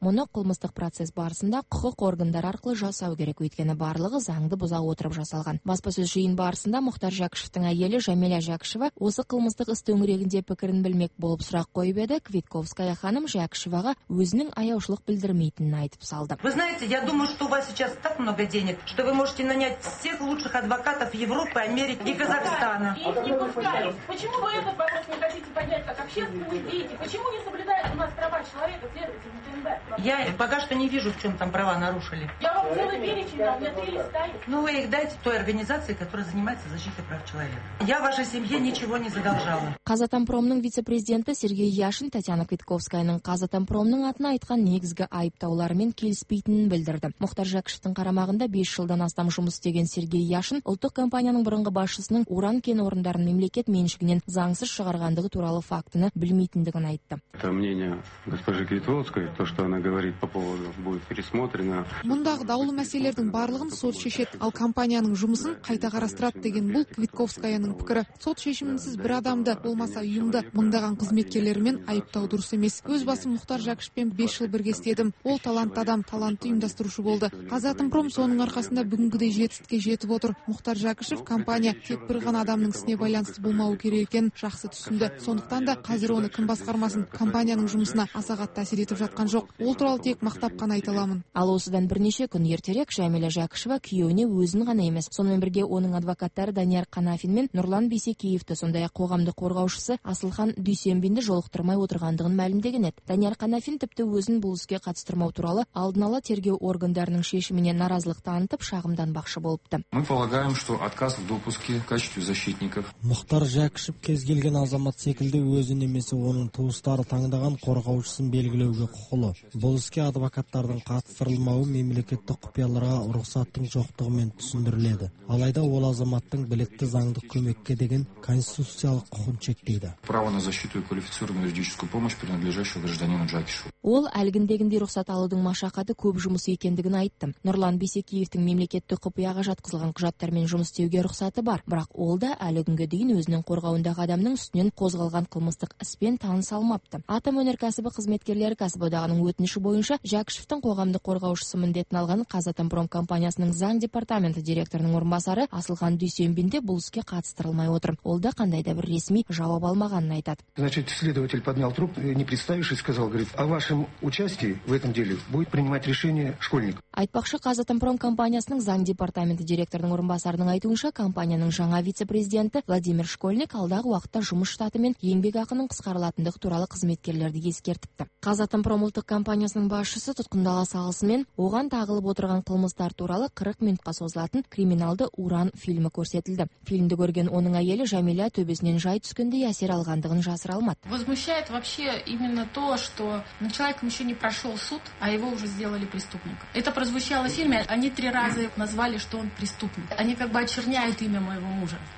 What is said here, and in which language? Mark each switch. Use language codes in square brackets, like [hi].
[kk] Мұны қылмыстық процесс барысында құқық органдары арқылы жасау керек, өйткені барлығы заңды бұза отырып жасалған. Баспасөз жиын барысында Мұхтар Жәкішевтің әйелі Жәмила Жәкішева осы қылмыстық іс төңірегінде пікірін білмек болып сұрақ қойып еді. Квитковская ханым Жәкішеваға өзінің аяушылық білдірмейтінін айтып салды. [ru] Вы знаете, я думаю, что у вас сейчас так много денег, что вы можете нанять всех лучших адвокатов Европы, Америки и Казахстана. Почему вы этот вопрос не хотите поднять, как общественные деятели? Почему не соблюдают у нас права человека, следователи ТНБ? Я пока что не вижу, в чем там права нарушили. Я вам целый перечень дал, у меня 3 листа. Ну, вы их дайте той организации, которая занимается защитой прав человека. Я вашей семье ничего не задолжала. [kk] Қазатомпромның вице-президенті Сергей Яшин Татьяна Квитковскаяның Қазатомпромның атына айтқан негізгі айыптауларымен келіспейтінін білдірді. Мұхтар Жәкішевтің қарамағында 5 жылдан астам жұмыс істеген Сергей Яшин ұлттық компанияның бұрынғы басшысы облысының уран кен орындарын мемлекет меншігінен заңсыз шығарғандығы туралы фактіні білмейтіндігін айтты. [ru] Это мнение госпожи Критовской, то, что она говорит по поводу будет пересмотрено. [kk] Мұндағы даулы мәселелердің барлығын сот шешет, ал компанияның жұмысын қайта қарастырады деген бұл Квитковскаяның пікірі. Сот шешімінсіз бір адамды, болмаса ұйымды мұндаған қызметкерлермен айыптау дұрыс емес. Өз басым Мұхтар Жақышпен 5 жыл бірге істедім. Ол талантты адам, талантты ұйымдастырушы болды. Қазатомпром соның арқасында бүгінгідей жетістікке жетіп отыр. Мұхтар Жақышев компания тек бір ғана адамның ісіне байланысты болмауы керек екенін жақсы түсінді. Сондықтан да қазір оны кім басқармасын, компанияның жұмысына аса қатты әсер етіп жатқан жоқ. Ол туралы тек мақтап қана айта аламын. Ал осыдан бірнеше күн ертерек Жәмила Жақышева күйеуіне өзін ғана емес, сонымен бірге оның адвокаттары Данияр Қанафин мен Нұрлан Бейсекеевті, сондай-ақ қоғамдық қорғаушысы Асылхан Дүйсенбинді жолықтырмай отырғандығын мәлімдеген еді. Данияр Қанафин тіпті өзін бұл іске қатыстырмау туралы алдын ала тергеу органдарының шешіміне наразылық танытып шағымданбақшы болыпты. [ru] Мы полагаем, что отказ в допуске в качестве защитников. [kk] Мұхтар Жақышев кез келген азамат секілді өзін немесе оның туыстары таңдаған қорғаушысын белгілеуге құқылы. Бұл іске адвокаттардың қатыстырылмауы мемлекеттік құпияларға рұқсаттың жоқтығымен түсіндіріледі. Алайда ол азаматтың білікті заңдық көмекке деген конституциялық құқын шектейді. [ru] Право на защиту и квалифицированную юридическую помощь принадлежащего гражданину Жақышеву. [kk] Ол әлгіндегіндей рұқсат алудың машақаты көп жұмысы екендігін айтты. Нұрлан Бейсекеевтің мемлекеттік құпияға жатқызылған құжаттармен жұмыс істеуге рұқсаты бар, бірақ ол да әлі күнге дейін өзінің қорғауындағы адамның үстінен қозғалған қылмыстық іспен таныса алмапты. Атом өнеркәсібі қызметкерлері кәсіподағының өтініші бойынша Жақышевтің қоғамдық қорғаушысы міндетін алған Қазатомпром компаниясының заң департаменті директорының орынбасары Асылхан Дүйсенбин де бұл іске қатыстырылмай отыр. Ол да қандай да бір ресми жауап алмағанын айтады. [ru] Значит, следователь поднял трубку, не представившись, сказал, говорит: "А вашем участии в этом деле будет принимать решение школьник". [kk] Айтпақшы, Қазатомпром компаниясының заң департаменті директорының орынбасарының айтуынша, компанияның жаңа вице-президенті Владимир Школьник алдағы уақытта жұмыс штаты мен еңбекақының қысқарылатындығы туралы қызметкерлерді ескертіпті. Қазатомпром ұлттық компаниясының басшысы тұтқындала салысымен оған тағылып отырған қылмыстар туралы 40 минутқа созылатын криминалды уран фильмі көрсетілді. Фильмді көрген оның әйелі Жәмилә төбесінен жай түскендей әсер алғандығын жасыра алмады. [ru] Возмущает вообще именно то, что на человеком еще не прошел суд, а его уже сделали преступником. Это прозвучало в фильме, они 3 раза назвали, что он преступник. Они как бы очерняют имя моего мужа.